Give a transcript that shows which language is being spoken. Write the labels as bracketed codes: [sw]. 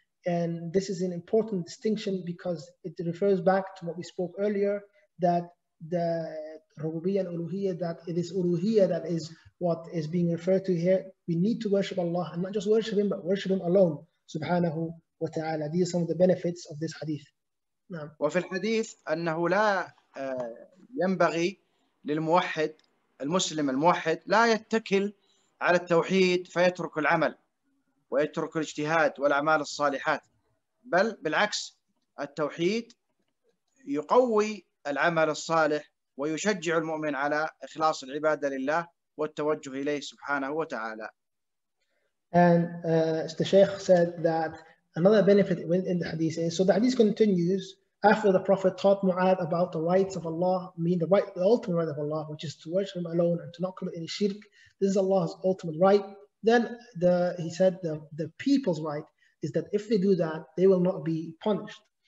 [en] And this is an important distinction because it refers back to what we spoke earlier, that the Rububiyyah and Uluhiyyah, that it is Uluhiyyah that is what is being referred to here. We need to worship Allah and not just worship him, but worship him alone, subhanahu wa ta'ala. These are some of the benefits of this hadith. [ar] وفي الحديث أنه لا ينبغي للموحد المسلم الموحد لا يتكل على التوحيد فيترك العمل ويترك الاجتهاد والأعمال الصالحات، بل بالعكس التوحيد يقوي العمل الصالح ويشجع المؤمن على إخلاص العبادة لله والتوجه إليه سبحانه وتعالى. [en] And the Sheikh said that another benefit in the hadith is, so the hadith continues after the Prophet taught Mu'ad about the rights of Allah, meaning the ultimate right of Allah, which is to worship him alone and to not commit any shirk. This is Allah's ultimate right. Then he said the people's right is that if they do that, they will not be punished.